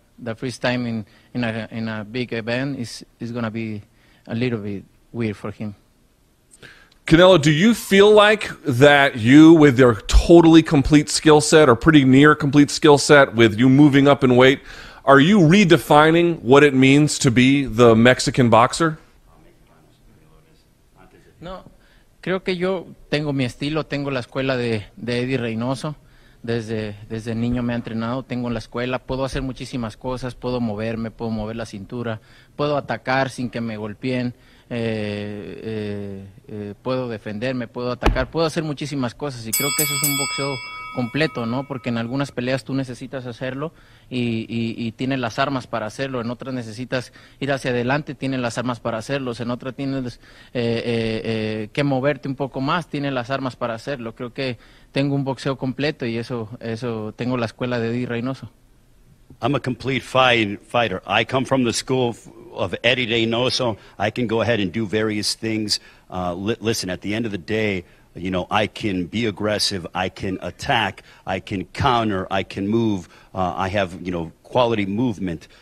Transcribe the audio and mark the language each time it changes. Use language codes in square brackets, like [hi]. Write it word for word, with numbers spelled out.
[en] The first time in, in a in a big event is is gonna be a little bit weird for him. Canelo, do you feel like that you, with your totally complete skill set or pretty near complete skill set, with you moving up in weight, are you redefining what it means to be the Mexican boxer? No. [es] Creo que yo tengo mi estilo, tengo la escuela de, de Eddie Reynoso, desde, desde niño me ha entrenado, tengo la escuela, puedo hacer muchísimas cosas, puedo moverme, puedo mover la cintura, puedo atacar sin que me golpeen, eh, eh, eh, puedo defenderme, puedo atacar, puedo hacer muchísimas cosas y creo que eso es un boxeo completo, ¿no? Porque en algunas peleas tú necesitas hacerlo y, y, y tienes las armas para hacerlo, en otras necesitas ir hacia adelante, tienes las armas para hacerlo, en otras tienes eh, eh, eh, que moverte un poco más, tienes las armas para hacerlo. Creo que tengo un boxeo completo y eso, eso tengo la escuela de Eddie Reynoso. [en] I'm a complete fight, fighter. I come from the school of Eddie Reynoso. I can go ahead and do various things. Uh, li- listen, at the end of the day, you know, I can be aggressive, I can attack, I can counter, I can move, uh, I have, you know, quality movement.